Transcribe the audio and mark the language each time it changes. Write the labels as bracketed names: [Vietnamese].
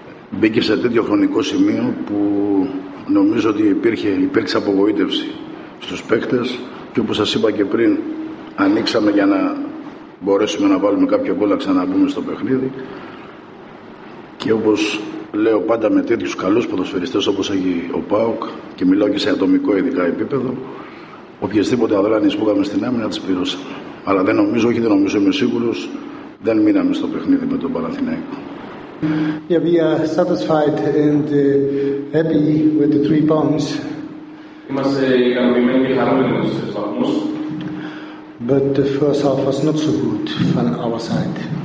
[Greek] Μπήκε σε τέτοιο χρονικό σημείο που νομίζω ότι υπήρξε απογοήτευση στους παίκτες και όπως σας είπα και πριν ανοίξαμε για να μπορέσουμε να βάλουμε κάποιο γκολ να ξαναμπούμε στο παιχνίδι και όπως λέω πάντα με τέτοιους καλούς ποδοσφαιριστές όπως έχει ο ΠΑΟΚ και μιλάω και σε ατομικό ειδικά επίπεδο, οποιασδήποτε αδράνειες που είχαμε στην άμυνα τις πληρώσαμε. Αλλά δεν νομίζω, όχι δεν νομίζω, είμαι σίγουρος, δεν μείναμε στο παιχνίδι με τον Παναθηναϊκό. [English] Yeah, we are satisfied and happy with the 3 points. [Greek] Είμαστε ικανοποιημένοι και χαρούμενοι με τους 3 points. [English] But the first half was not so good from our side.